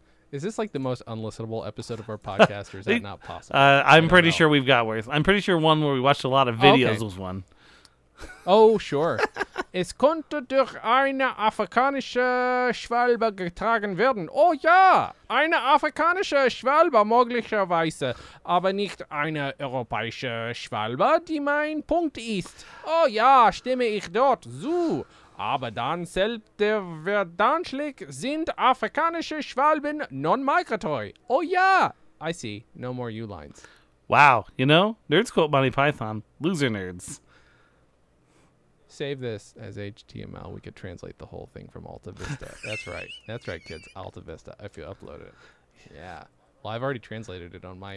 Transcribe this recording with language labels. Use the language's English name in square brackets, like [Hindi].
[English] Is this like the most unlistenable episode of our podcast, or is that not possible? I'm pretty sure we've got worse. I'm pretty sure one where we watched a lot of videos was one. Oh, sure. [German] Es konnte durch eine afrikanische Schwalbe getragen werden. Oh ja, eine afrikanische Schwalbe möglicherweise, aber nicht eine europäische Schwalbe, die mein Punkt ist. Oh ja, stimme ich dort zu. Aber dann selbst der Verdanschlick sind afrikanische Schwalben non-migratory. [English] Oh ja, I see. No more U lines. Wow, you know, nerds quote Monty Python, loser nerds. Save this as HTML. We could translate the whole thing from Alta Vista. That's right. That's right, kids. Alta Vista. If you upload it. Yeah. Well, I've already translated it on my